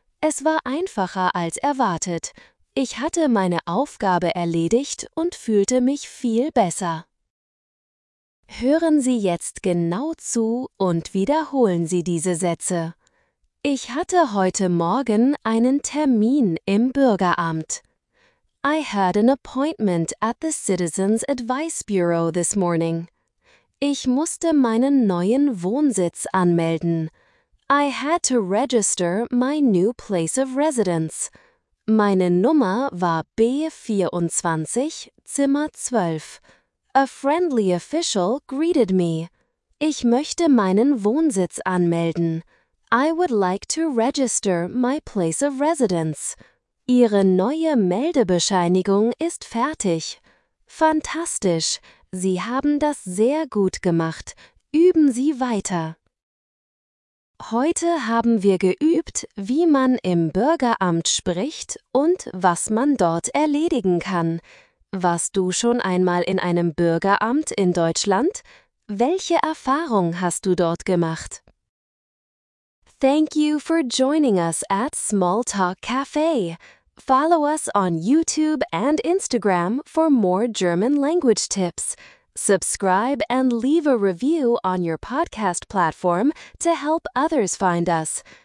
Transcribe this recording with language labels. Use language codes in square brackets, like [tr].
[de] Es war einfacher als erwartet. Ich hatte meine Aufgabe erledigt und fühlte mich viel besser. Hören Sie jetzt genau zu und wiederholen Sie diese Sätze. Ich hatte heute Morgen einen Termin im Bürgeramt. [en] I had an appointment at the Citizens Advice Bureau this morning. [de] Ich musste meinen neuen Wohnsitz anmelden. [en] I had to register my new place of residence. [de] Meine Nummer war B24, Zimmer 12. [en] A friendly official greeted me. [de] Ich möchte meinen Wohnsitz anmelden. [en] I would like to register my place of residence. [de] Ihre neue Meldebescheinigung ist fertig. Fantastisch! Sie haben das sehr gut gemacht. Üben Sie weiter! Heute haben wir geübt, wie man im Bürgeramt spricht und was man dort erledigen kann. Warst du schon einmal in einem Bürgeramt in Deutschland? Welche Erfahrung hast du dort gemacht? [en] Thank you for joining us at Small Talk Cafe. Follow us on YouTube and Instagram for more German language tips. Subscribe and leave a review on your podcast platform to help others find us.